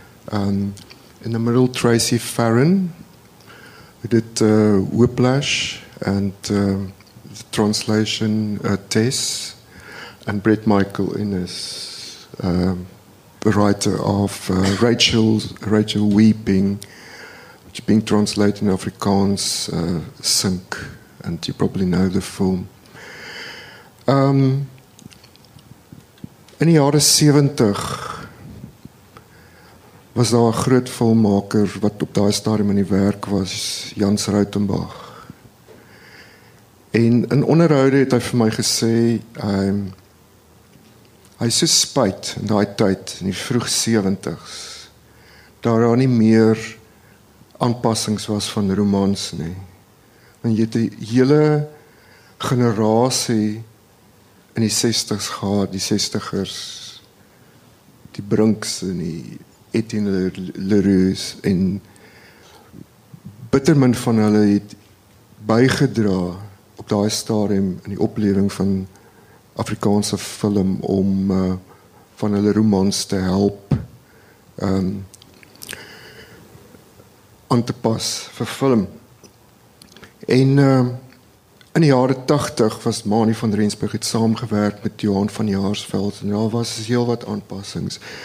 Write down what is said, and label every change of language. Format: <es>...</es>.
<en>In the middle, Tracy Farron, who did Whiplash and the translation Tess, and Brett Michael Innes, the writer of Rachel Weeping, which is being translated in Afrikaans, Sink, and you probably know the film.</en> <af>In die jare 70 was daar 'n groot filmmaker wat op daai stadium in die werk was, Jans Rautenbach. En in onderhoude het hy vir my gesê, hy is so spyt in daai tyd, in die vroeg 70s, dat daar nie meer aanpassings was van romans nie. Want jy het die hele generasie in die 60s gehad, die 60ers, die Brinks en die Etienne Leroux, en bittermin van hulle het bygedra op daai stadium in die oplewing van Afrikaanse film om van hulle romans te help aan te pas vir film. En in die jare 80 was Mani van Rensburg het saamgewerk met Johan van Jaarsveld en daar was heel wat aanpassings.</af>